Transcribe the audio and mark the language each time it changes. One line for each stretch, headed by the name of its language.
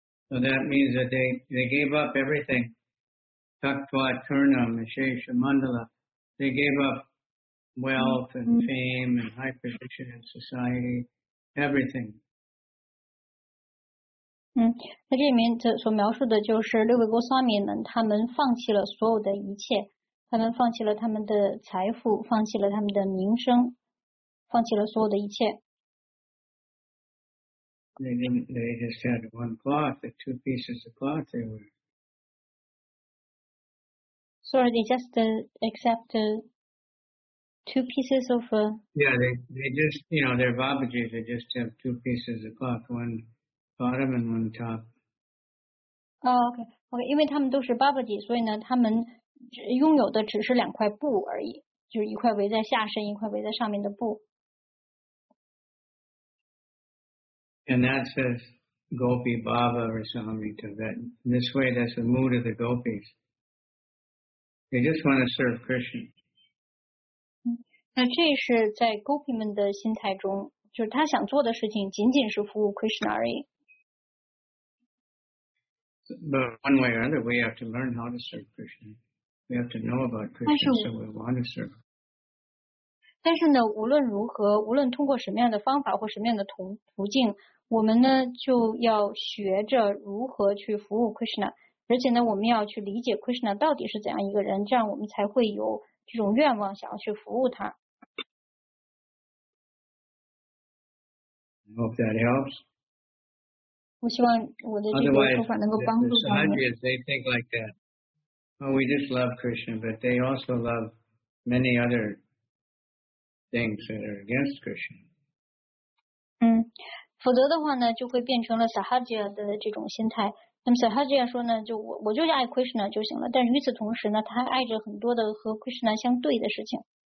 English: So that means that they gave up everything.
Sanskrit: Taktva Turna, Mishesha Mandala.
English: They gave up wealth and fame and high position in society, everything.
Chinese: 那这里面所描述的就是六位 Goswami 们，他们放弃了所有的一切，他们放弃了他们的财富，放弃了他们的名声，放弃了所有的一切。
English: They just had one cloth, the two pieces of cloth they wear. Sorry, they just accept two pieces of... They just, you know, they're Babaji, they just have two pieces of cloth, one bottom and one top. Oh, okay.
Chinese: 因为他们都是 Babaji, 所以呢他们拥有的只是两块布而已，就是一块围在下身，一块围在上面的布。
English: And that says Gopi Bhava Rasamrita, that in this way that's the mood of the gopis. They just want to serve Krishna.
Chinese: 那这是在 Gopi 们的心态中，就是他想做的事情仅仅是服务 Krishna 而已。
English: But one way or another, we have to learn how to serve Krishna. We have to know about Krishna, so we want to serve.
Chinese: 但是呢，无论如何，无论通过什么样的方法或什么样的途径，我们呢就要学着如何去服务 Krishna， 而且呢我们要去理解 Krishna 到底是怎样一个人，这样我们才会有这种愿望想要去服务他。
English: I hope that helps.
Chinese: 我希望我的这个说法能够帮助他们。
English: Otherwise, the sages, they think like that. Well, we just love Krishna, but they also love many other things that are against Krishna.
Chinese: 嗯，否则的话呢，就会变成了 Sahaja 的这种心态。那么 Sahaja 说呢，就我就爱 Krishna 就行了，但与此同时呢，他还爱着很多的和 Krishna 相对的事情。